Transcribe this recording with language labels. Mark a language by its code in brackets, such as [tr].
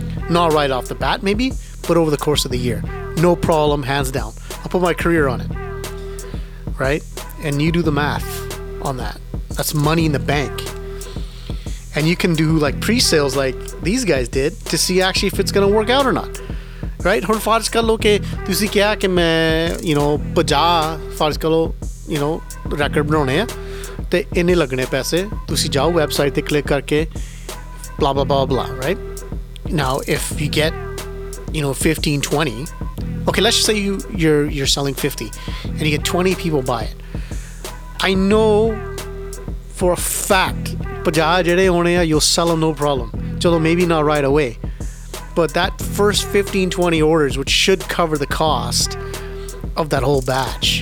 [en] Not right off the bat, maybe, but over the course of the year. No problem, hands down. I'll put my career on it. Right? And you do the math on that. That's money in the bank. And you can do like pre-sales like these guys did to see actually if it's going to work out or not. Right? [pa] ਹੁਣ ਫ਼ਰਜ਼ ਕਰ ਲੋ ਕੇ ਤੁਸੀਂ ਕਿਹਾ ਕੇ ਮੈਂ, you know, 50 ਫ਼ਰਜ਼ ਕਰ ਲੋ, you know, record ਬਣਾਉਣੇ ਹੈ ਤੇ ਇੰਨੇ ਲੱਗਣੇ ਪੈਸੇ ਤੁਸੀਂ ਜਾਓ website ਤੇ click ਕਰਕੇ blah blah blah blah, right? [en] Now if you get, you know, 15-20, okay, let's just say you're selling 50 and you get 20 people buy it. I know for a fact 50 [pa] jehde hone hai, [en] you'll sell them no problem. Chalo, maybe not right away, but that first 15-20 orders, which should cover the cost of that whole batch.